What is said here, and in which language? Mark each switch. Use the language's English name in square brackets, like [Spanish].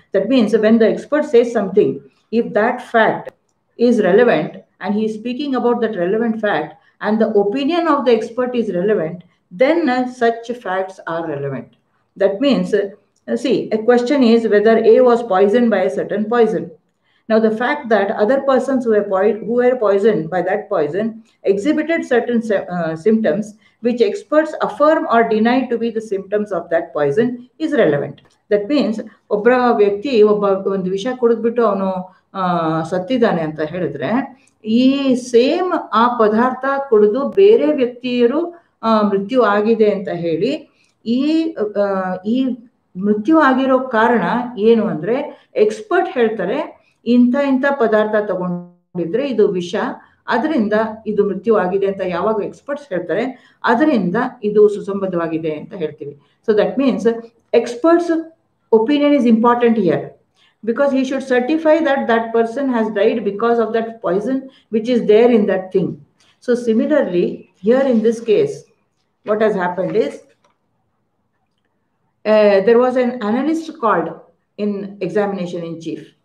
[English] That means when the expert says something, if that fact is relevant and he speaking about that relevant fact and the opinion of the expert is relevant, then such facts are relevant. That means, see, a question is whether A was poisoned by a certain poison. Now the fact that other persons who were poisoned by that poison exhibited certain symptoms which experts affirm or deny to be the symptoms of that poison is relevant. That means [Kannada] obra vyakti obba ond visha kodidbitu avanu sattidane anta helidre ಈ same ಆ ಪದಾರ್ಥ ಕುಡಿದು ಬೇರೆ ವ್ಯಕ್ತಿಯರು ಮೃತ್ಯು ಆಗಿದೆ ಅಂತ ಹೇಳಿ ಈ ಮೃತ್ಯು ಆಗಿರೋ ಕಾರಣ ಏನು ಅಂದರೆ ಎಕ್ಸ್ಪರ್ಟ್ ಹೇಳ್ತಾರೆ ಇಂಥ ಇಂಥ ಪದಾರ್ಥ ತಗೊಂಡಿದ್ರೆ ಇದು ವಿಷ ಅದರಿಂದ ಇದು ಮೃತ್ಯು ಆಗಿದೆ ಅಂತ ಯಾವಾಗ ಎಕ್ಸ್ಪರ್ಟ್ಸ್ ಹೇಳ್ತಾರೆ ಅದರಿಂದ ಇದು ಸುಸಂಬದ್ಧವಾಗಿದೆ ಅಂತ ಹೇಳ್ತೀವಿ. [English] So that means expert's opinion is important here because he should certify that person has died because of that poison which is there in that thing. So similarly, here in this case, what has happened is there was an analyst called in examination in chief.